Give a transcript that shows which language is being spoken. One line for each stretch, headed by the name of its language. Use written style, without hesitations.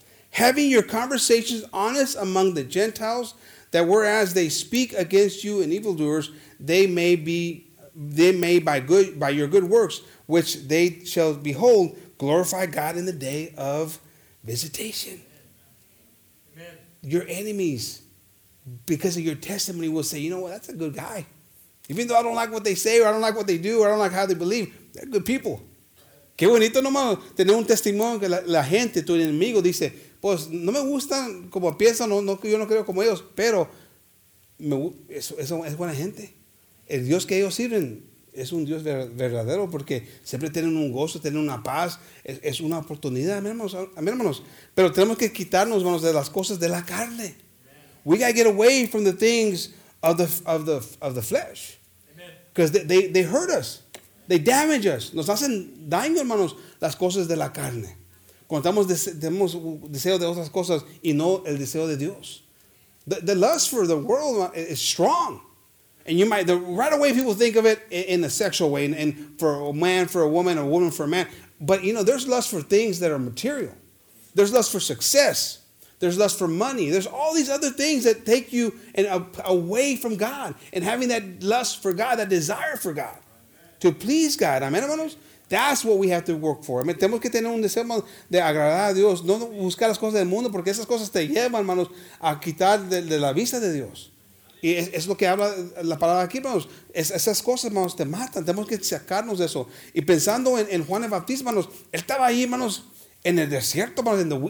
English: Having your conversations honest among the Gentiles, that whereas they speak against you and evildoers, they may by your good works, which they shall behold, glorify God in the day of visitation. Amen. Your enemies, because of your testimony, will say, you know what, that's a good guy. Even though I don't like what they say, or I don't like what they do, or I don't like how they believe, they're good people.
Spanish: Qué bonito nomás tener un testimonio que la gente, tu enemigo, dice, pues no me gustan como piensan, yo no creo como ellos, pero eso es buena gente. El Dios que ellos sirven es un Dios verdadero porque siempre tienen un gozo, tienen una paz, es una oportunidad, hermanos. Pero tenemos que quitarnos, hermanos, de las cosas de la carne.
English: Amen. We got to get away from the things of the flesh. Because they hurt us. They damage us.
Spanish: Nos hacen daño, hermanos, las cosas de la carne. Cuando tenemos deseo de otras cosas y no el deseo de Dios.
English: The lust for the world is strong. And you might, right away people think of it in a sexual way, and for a man, for a woman for a man. But, you know, there's lust for things that are material. There's lust for success. There's lust for money. There's all these other things that take you away from God and having that lust for God, that desire for God, to please God. Amen, hermanos? That's what we have to work for.
Spanish: Tenemos que tener un deseo de agradar a Dios. No buscar las cosas del mundo, porque esas cosas te llevan, hermanos, a quitar de la vista de Dios. Y es lo que habla la palabra aquí, hermanos. Esas cosas, hermanos, te matan. Tenemos que sacarnos de eso. Y pensando en Juan el Bautista, hermanos, él estaba ahí, hermanos, en el desierto, hermanos.